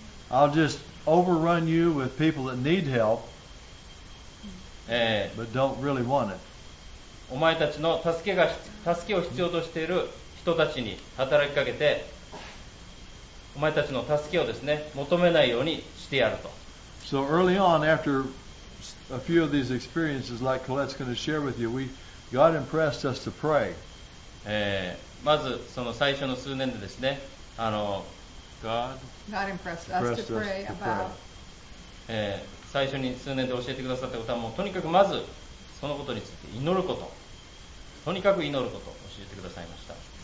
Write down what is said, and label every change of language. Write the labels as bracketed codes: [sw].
[en] I'll just overrun you with people that need help, but don't really want it. [ja] お前たちの助けを必要としている人たちに働きかけて、お前たちの助けをですね、求めないようにしてやると。 [en] So early on, after a few of these experiences, like Colette's going to share with you, God impressed us to pray. [ja] まずその最初の数年でですね、 [en] God impressed us to pray about. [ja] 最初に数年で教えてくださったことはもう、とにかくまずそのことについて祈ること。とにかく祈ることを教えてくださいました。